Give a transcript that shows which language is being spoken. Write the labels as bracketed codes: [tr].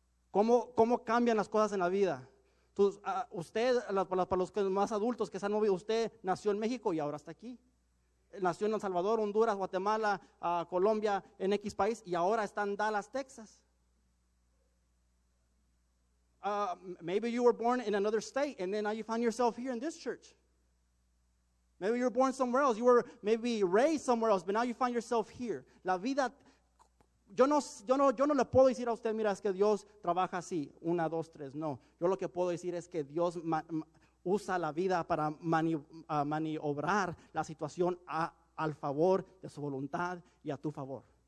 [es] ¿Cómo cambian las cosas en la vida? Para los más adultos que se han movido, usted nació en México y ahora está aquí. Nació en El Salvador, Honduras, Guatemala, Colombia, en X país, y ahora está en Dallas, Texas. [en] Maybe you were born in another state and then now you find yourself here in this church. Maybe you were born somewhere else. You were maybe raised somewhere else, but now you find yourself here. [es] La vida, yo no le puedo decir a usted, mira, es que Dios trabaja así, 1, 2, 3, no. Yo lo que puedo decir es que Dios usa la vida para maniobrar la situación al favor de su voluntad y a tu favor.